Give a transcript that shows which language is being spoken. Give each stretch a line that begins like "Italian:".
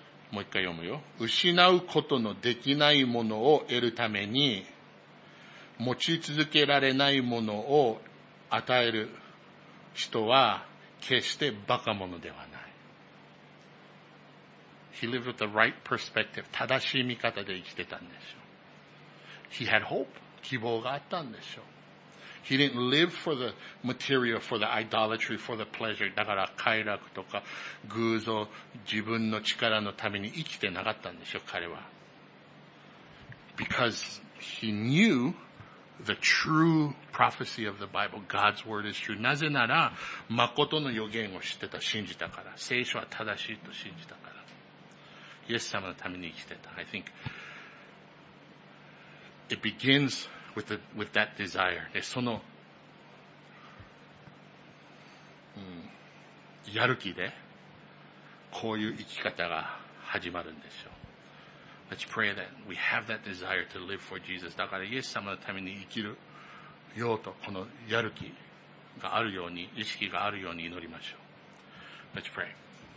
Japanese: もう一回読むよ。失うことのできないものを得るために、持ち続けられないものを与える人は決して馬鹿者ではない。
English: He lived with the right perspective.
Japanese: 正しい見方で生きてたんでしょう。
English: He had hope.
Japanese: 希望があったんでしょう。
English: He didn't live for the material, for the idolatry, for the pleasure.
Japanese: だから快楽とか偶像、自分の力のために生きてなかったんでしょう、彼は。
English: Because he knew the true prophecy of the Bible. God's word is true.
Japanese: なぜなら、誠の予言を知ってた、信じたから。聖書は正しいと信じたから。イエス様のために生きてた。
English: I think it begins with that desire.
Japanese: で、その、やる気で、こういう生き方が始まるんですよ。
English: Let's pray that we have that desire to live for Jesus.
Japanese: だから、イエス様のために生きるようと、このやる気があるように、意識があるように祈りましょう。
English: Let's pray.